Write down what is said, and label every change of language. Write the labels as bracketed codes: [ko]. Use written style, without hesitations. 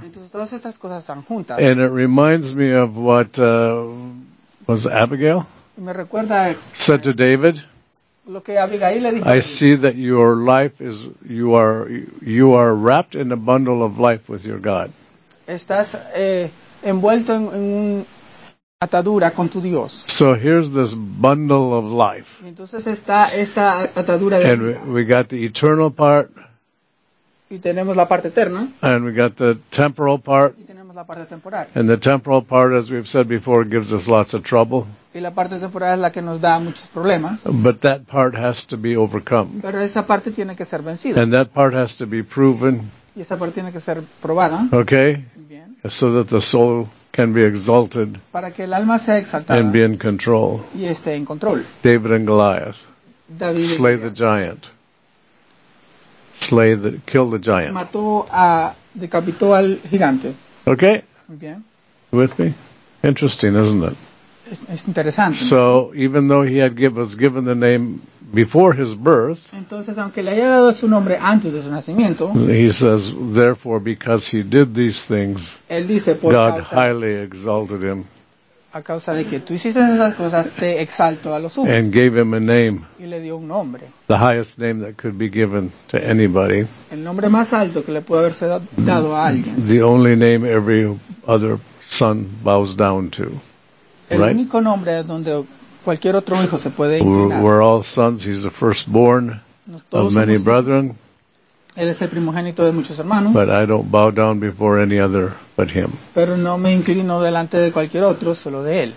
[es] Entonces, todas estas cosas están juntas. [en] And it reminds me of what was Abigail [es] me recuerda, [en] said to David. [es] Lo que Abigail le dijo, [en] I see that your life is you are wrapped in a bundle of life with your God. [es] Estás envuelto en un atadura con tu Dios. [en] So here's this bundle of life. [es] Entonces está esta atadura de [en] and [es] vida. [en] We got the eternal part. [es] Y tenemos la parte eterna. [en] And we got the temporal part. [es] Y tenemos la parte temporal. [en] And the temporal part, as we've said before, gives us lots of trouble. [es] Y la parte temporal es la que nos da muchos problemas. [en] But that part has to be overcome. [es] Pero esa parte tiene que ser vencida. [en] And that part has to be proven. [es] Y esa parte tiene que ser probada. [en] Okay. [es] Bien. [en] So that the soul can be exalted. [es] Para que el alma sea exaltada. [en] And be in control. [es] Y esté en control. [en] David and Goliath. David slay Goliath. The giant. Slay the, kill the giant. [es] Mató a, decapitó al gigante. [en] Okay. [es] Bien. [en] With me? Interesting, isn't it? [es] Es interesante. [en] So, even though he had was given the name before his birth, [es] entonces, aunque le haya dado su nombre antes de su nacimiento, [en] he says, therefore, because he did these things, [es] él dice, por [en] God [es] causa, [en] highly exalted him. [es] A causa de que tú hiciste esas cosas, te exalto a lo sumo. [en] And gave him a name. [es] Y le dio un nombre. [en] The highest name that could be given to anybody. [es] El nombre más alto que le puede haberse dado a alguien. [en] The only name every other son bows down to. [es] El [en] right? [es] único nombre donde cualquier otro hijo se puede [en] inclinar. We're all sons. He's the firstborn of many brethren. [es] Él es el primogénito de muchos hermanos. [en] But I don't bow down before any other but him. [es] Pero no me inclino delante de cualquier otro, solo de él.